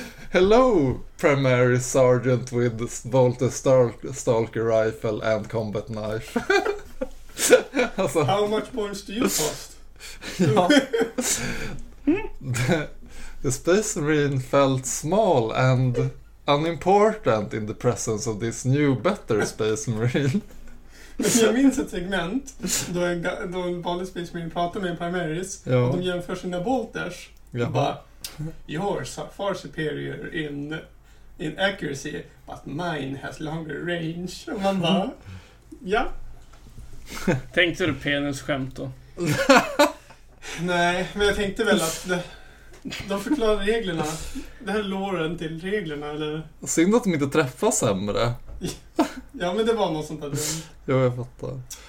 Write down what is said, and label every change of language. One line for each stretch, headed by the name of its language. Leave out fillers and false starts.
English: Hello, Primary Sergeant with Bolter Stalker Rifle and Combat Knife. Alltså, how much points do you cost?
Swedish: Ja.
English: The Space Marine felt small and unimportant in the presence of this new, better Space Marine.
Swedish: Jag minns ett segment då en vanlig space marine pratar med en primaris, ja, och de jämför sina bolters. Ja.
English: Bara, yours are far superior in accuracy, but mine has longer range.
Swedish: Och man bara, ja. Tänkte du penis skämt då? Nej, men jag tänkte väl att de förklarar reglerna. Det här låren till reglerna. Eller? Synd att de inte träffas sämre. Ja, men det var något sånt där dumt. Jo, jag fattar.